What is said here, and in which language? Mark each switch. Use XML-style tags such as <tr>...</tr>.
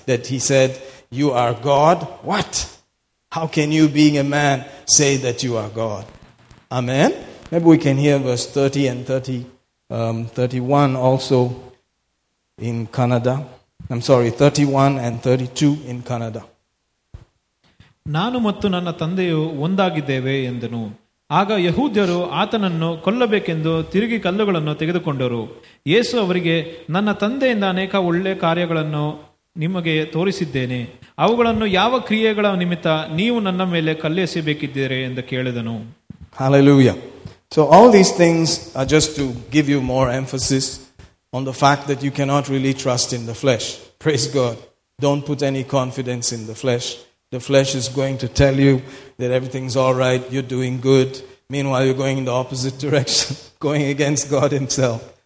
<en>That he said, you are God? What? How can you, being a man, say that you are God? Amen? Maybe we can hear verse 30 and 30, 31 also in Canada. I'm sorry, 31 and 32 in Canada.</en> <kn>ನಾನು ಮತ್ತು ನನ್ನ ತಂದೆಯು ಒಂದಾಗಿದ್ದೇವೆ ಎಂದನು. ಆಗ ಯಹೂದ್ಯರು ಆತನನ್ನು ಕೊಲ್ಲಬೇಕೆಂದು ತಿರುಗಿ ಕಲ್ಲುಗಳನ್ನು ತೆಗೆದುಕೊಂಡರು. ಯೇಸು ಅವರಿಗೆ, ನನ್ನ ತಂದೆಯಿಂದ ಅನೇಕ ಒಳ್ಳೆ ಕಾರ್ಯಗಳನ್ನು ನಿಮಗೆ ತೋರಿಸಿದ್ದೇನೆ, ಅವುಗಳನ್ನು ಯಾವ ಕ್ರಿಯೆಗಳ ನಿಮಿತ್ತ ನೀವು ನನ್ನ ಮೇಲೆ ಕಲ್ಲೆಸೆಯಬೇಕಿದ್ದೀರೆ ಎಂದು ಕೇಳಿದನು.</kn> <en>Hallelujah. So all these things are just to give you more emphasis on the fact that you cannot really trust in the flesh. Praise God. Don't put any confidence in the flesh. The flesh is going to tell you that everything's all right, you're doing good. Meanwhile, you're going in the opposite direction, going against God himself.</en>